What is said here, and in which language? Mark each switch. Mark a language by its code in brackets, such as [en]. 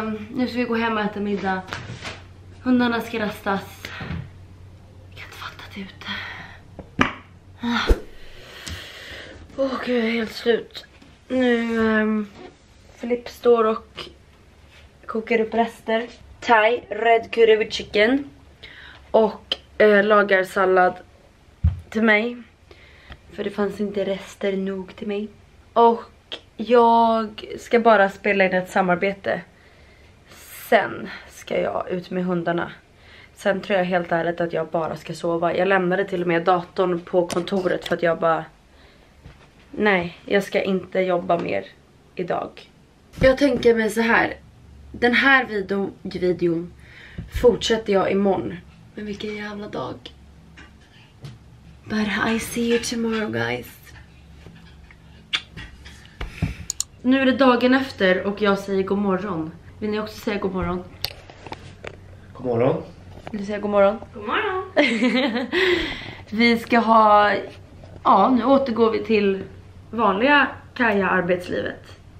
[sv] Nu ska vi gå hem och äta middag. Hundarna ska rastas. Jag kan inte fatta det ute. Åh gud, jag är helt slut. Nu, Filip står och kokar upp rester. [en] Thai, red curry with chicken. [sv] Och lagar sallad till mig. För det fanns inte rester nog till mig. Och jag ska bara spela in ett samarbete. Sen ska jag ut med hundarna. Sen tror jag helt ärligt att jag bara ska sova. Jag lämnade till och med datorn på kontoret för att jag bara... Nej, jag ska inte jobba mer idag. Jag tänker mig så här. Den här videon fortsätter jag imorgon. Men vilken jävla dag. [en] But I see you tomorrow, guys. [sv] Nu är det dagen efter och jag säger god morgon. Vill ni också säga god morgon? God morgon. Vill du säga god morgon? God morgon. Vi ska ha... Ja, nu återgår vi till vanliga Kaja-arbetslivet.